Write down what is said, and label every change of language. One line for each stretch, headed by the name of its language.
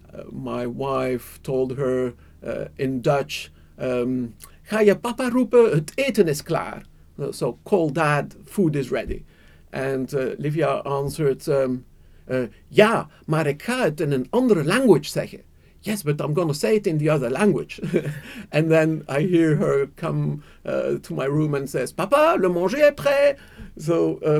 English: My wife told her in Dutch,
Dutch: "Ga je papa roepen, het eten is klaar."
English: So call dad, food is ready. And Livia answered,
Dutch: "Ja, maar ik ga het in een andere language zeggen."
English: Yes, but I'm going to say it in the other language. And then I hear her come to my room and says,
French: "Papa, le manger est prêt."
English: So